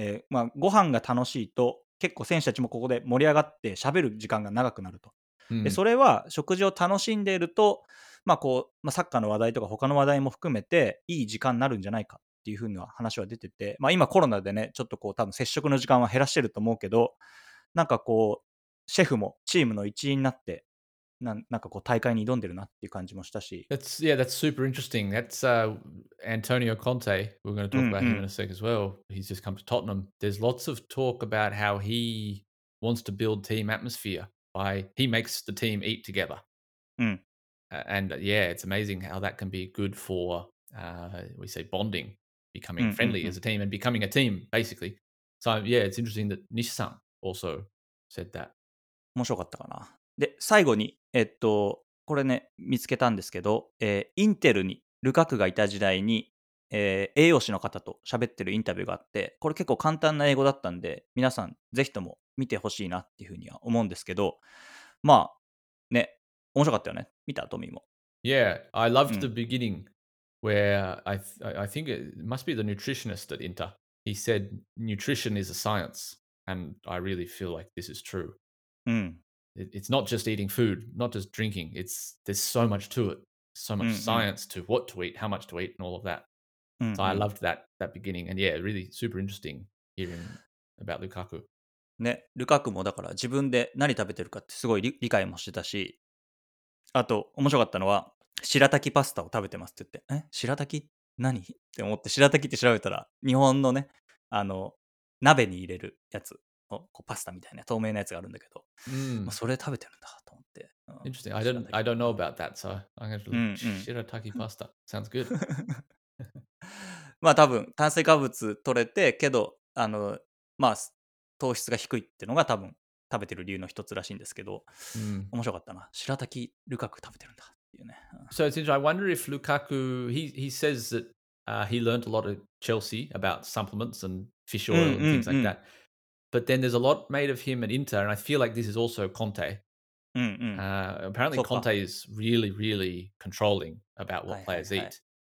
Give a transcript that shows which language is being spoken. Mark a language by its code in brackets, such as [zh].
[ja] まあ、ご飯が楽しいと結構選手たちもここで盛り上がって喋る時間が長くなると、うん、でそれは食事を楽しんでいると、まあこうまあ、サッカーの話題とか他の話題も含めていい時間になるんじゃないかっていう風な話は出てて、まあ、今コロナでねちょっとこう多分接触の時間は減らしてると思うけど、なんかこうシェフもチームの一員になって なんかこう大会に挑んでるなっていう感じもしたし、 [en] that's, Yeah, that's super interesting. That's、Antonio Conte. We're going to talk about him in a sec as well. He's just come to Tottenham. There's lots of talk about how he wants to build team atmosphere by he makes the team eat together. And yeah, it's amazing how that can be good for、we say bondingbecoming friendly as a team and becoming a team basically. So yeah, it's interesting that Nishi-san also said that. [ja] 面白かったかな。で最後にこれね見つけたんですけど、インテルにルカクがいた時代に、栄養士の方と喋ってるインタビューがあって、これ結構簡単な英語だったんで皆さんぜひとも見てほしいなっていうふうには思うんですけど、まあね面白かったよね。見たトミーも。 [en] Yeah, I loved the beginning. Where I think it must be the nutritionist at Inter. He said nutrition is a science, and I really feel like this is true. It's not just eating food, not just drinking. It's there's so much to it, so much science to what to eat, how much to eat, and all of that. So I loved that beginning, and yeah, really super interesting hearing about Lukaku. [ja] ね、ルカクもだから自分で何食べてるかってすごい理解もしてたし、あと面白かったのは。白滝パスタを食べてますって言って、え白滝何って思って、白滝って調べたら日本のねあの鍋に入れるやつのこうパスタみたいな透明なやつがあるんだけど、まあ、それ食べてるんだと思って。 [en] Interesting. I don't know about that, so I'm going to look. 白滝パスタ sounds good. [ja] まあ多分炭水化物取れてけど、あのまあ糖質が低いっていうのが多分食べてる理由の一つらしいんですけど、面白かったな。白滝ルカク食べてるんだ。 [en] So it's interesting. I wonder if Lukaku, he says that he learned a lot at Chelsea about supplements and fish oil and things like that. But then there's a lot made of him at Inter, and I feel like this is also Conte. Apparently Conte is really, really controlling about what players eat.